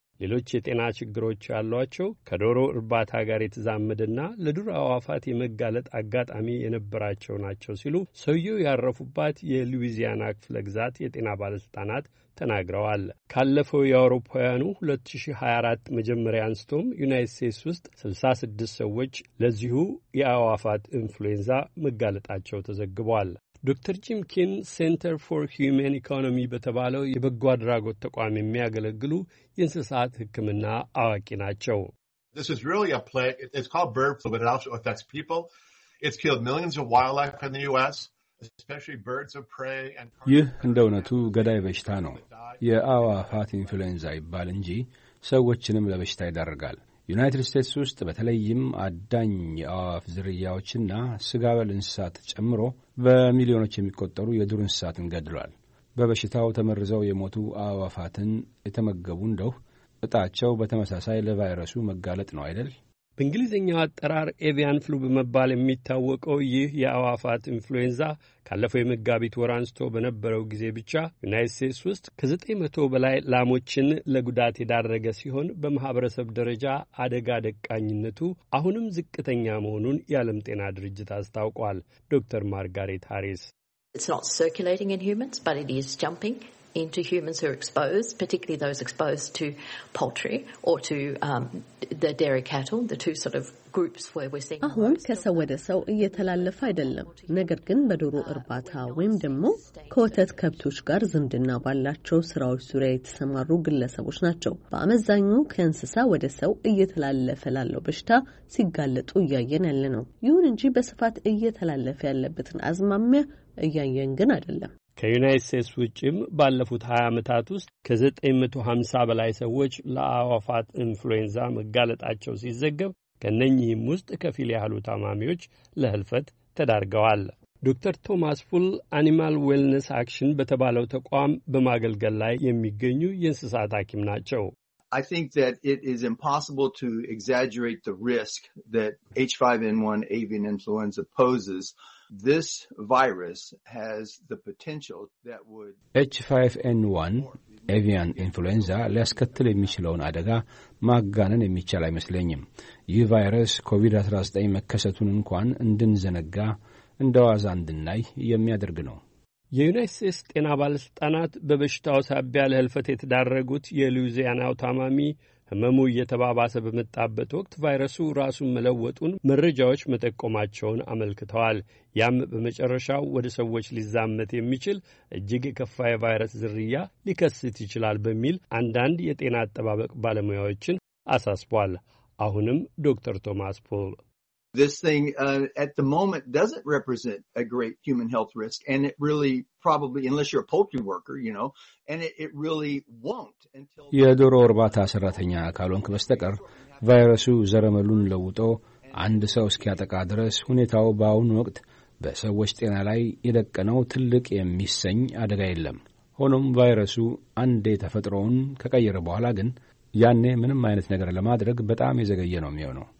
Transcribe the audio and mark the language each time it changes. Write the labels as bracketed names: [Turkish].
[Amharic] ሌሎች የጤና ችግሮች ያሏቸው ከዶሮ እርባታ ጋር የተዛመደና ለዱር አዋፋት የመጋለጥ አጋጣሚ የነበራቸው ናቸው ሲሉ ሰውየው ያረፉባት የሉዊዚያና ክፍለ ግዛት የጤና ባለስልጣናት ተናግረዋል። ካለፈው የአውሮፓውያኑ 2024 መጀመሪያ አንስቶም ዩናይትድ ስቴትስ ውስጥ 66 ሰዎች ለዚሁ የአዋፋት ኢንፍሉዌንዛ መጋለጣቸው ተዘግቧል። ዶክተር ጂም ኪን ሴንተር ፎር ሂዩማን ኢኮኖሚ በተባለው የበጎ አድራጎት ተቋም የሚያገለግሉ የእንስሳት ሕክምና አዋቂ ናቸው። [English] This is really a plague. It's called bird flu, but it also affects people. It's killed millions of wildlife in the US, especially birds of prey and [Amharic] ይህ እንደ እውነቱ ገዳይ በሽታ ነው። የአዋፋት ኢንፍሉዌንዛ ይባል እንጂ ሰዎችንም ለበሽታ ይዳርጋል። ዩናይትድ ስቴትስ ውስጥ በተለይም አዳኝ የአዋፍ ዝርያዎችና ስጋ በል እንስሳት ጨምሮ በሚሊዮኖች የሚቆጠሩ የዱር እንስሳትን ገድሏል። በበሽታው ተመርዘው የሞቱ አዋፋትን የተመገቡ እንደው እጣቸው በተመሳሳይ ለቫይረሱ መጋለጥ ነው አይደል? በእንግሊዝኛው አጠራር ኤቪያን ፍሉ በመባል የሚታወቀው ይህ የአዋፋት ኢንፍሉዌንዛ ካለፈው የመጋቢት ወር አንስቶ በነበረው ጊዜ ብቻ ዩናይትድ ስቴትስ ውስጥ ከ900 በላይ ላሞችን ለጉዳት የዳረገ ሲሆን በማህበረሰብ ደረጃ አደጋ ደቃኝነቱ አሁንም ዝቅተኛ መሆኑን የዓለም ጤና ድርጅት አስታውቋል። ዶክተር ማርጋሬት ሃሪስ [English] It's not circulating in humans, but it is jumping into humans who are exposed, particularly those exposed to poultry or to the dairy cattle, the two sort of groups where we're seeing [Amharic] አሁን ከሰው ወደ ሰው እየተላለፈ አይደለም። ነገር ግን በዶሮ እርባታ ወይም ደግሞ ከወተት ከብቶች ጋር ዝምድና ባላቸው ስራዎች ዙሪያ የተሰማሩ ግለሰቦች ናቸው በአመዛኙ ከእንስሳ ወደ ሰው እየተላለፈ ላለው በሽታ ሲጋለጡ እያየን ያለ ነው። ይሁን እንጂ በስፋት እየተላለፈ ያለበትን አዝማሚያ እያየን ግን አይደለም። ከዩናይትድ ስቴትስ ውጪም ባለፉት 20 ዓመታት ውስጥ ከ950 በላይ ሰዎች ለአዋፋት ኢንፍሉዌንዛ መጋለጣቸው ሲዘገብ ከነኚህም ውስጥ ከፊል ያህሉ ታማሚዎች ለህልፈት ተዳርገዋል። ዶክተር ቶማስ ፉል አኒማል ዌልነስ አክሽን በተባለው ተቋም በማገልገል ላይ የሚገኙ የእንስሳት ሐኪም ናቸው። [English] I think that it is impossible to exaggerate the risk that H5N1 avian influenza poses. This virus has the potential that would [Amharic] H5N1 avian influenza ሊያስከትል የሚችለውን አደጋ ማጋነን የሚቻል አይመስለኝም። ይህ ቫይረስ ኮቪድ-19 መከሰቱን እንኳን እንድንዘነጋ እንደዋዛ እንድናይ የሚያደርግ ነው። የዩናይትድ ስቴትስ ጤና ባለስልጣናት በበሽታው ሳቢያ ለህልፈት የተዳረጉት የሉዊዚያናው ታማሚ ህመሙ እየተባባሰ በመጣበት ወቅት ቫይረሱ ራሱን መለወጡን መረጃዎች መጠቆማቸውን አመልክተዋል። ያም በመጨረሻው ወደ ሰዎች ሊዛመት የሚችል እጅግ የከፋ የቫይረስ ዝርያ ሊከስት ይችላል በሚል አንዳንድ የጤና አጠባበቅ ባለሙያዎችን አሳስቧል። አሁንም ዶክተር ቶማስ ፖል [English] This thing at the moment doesn't represent a great human health risk, and it really probably, unless you're a poultry worker, you know, and it really won't until [Amharic] የዶሮ እርባታ ሰራተኛ ካልሆንክ በስተቀር ቫይረሱ ዘረመሉን ለውጦ አንድ ሰው እስኪያጠቃ ድረስ ሁኔታው በአሁኑ ወቅት በሰዎች ጤና ላይ የደቀነው ትልቅ የሚሰኝ አደጋ የለም። ሆኖም ቫይረሱ አንዴ ተፈጥሮውን ከቀየረ በኋላ ግን ያኔ ምንም አይነት ነገር ለማድረግ በጣም የዘገየ ነው የሚሆነው።